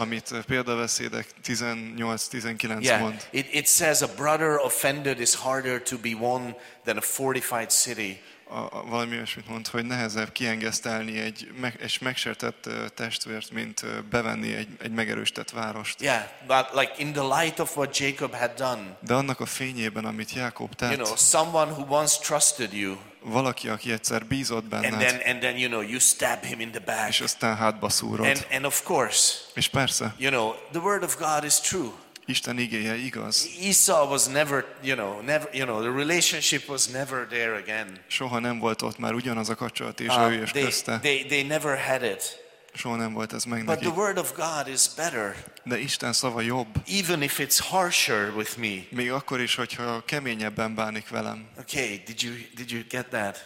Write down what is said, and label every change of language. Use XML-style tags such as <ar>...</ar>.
<hu>Amit Példabeszédek 18:19</hu> <en>yeah,</en> <hu>mond.</hu> <en>It says a brother offended is harder to be won than a fortified city.</en> <hu>Valami olyasmit mond, hogy nehezebb kiengesztelni egy megsértett testvért, mint bevenni egy megerősített várost.</hu> <en>Yeah, but like in the light of what Jacob had done.</en> <hu>De annak a fényében, amit Jákob tett.</hu> <en>You know, someone who once trusted you.</en> <hu>Valaki, aki egyszer bízott benned.</hu> <en>And then you know, you stab him in the back.</en> <hu>És aztán hátba szúrod.</hu> <en>And of course.</en> <hu>És persze.</hu> <en>You know, the word of God is true.</en> <hu>Isten igéje igaz.</hu> <en>Esau was never, the relationship was never there again.</en> <hu>Soha nem volt ott már ugyanaz a kapcsolat és ő és közte.</hu> <en>They never had it.</en> <hu>Soha nem volt ez meg neki.</hu> <en>But the word of God is better.</en> <hu>De Isten szava jobb.</hu> <en>Even if it's harsher with me.</en> <hu>Még akkor is, hogyha keményebben bánik velem.</hu> <en>Okay, did you get that?</en>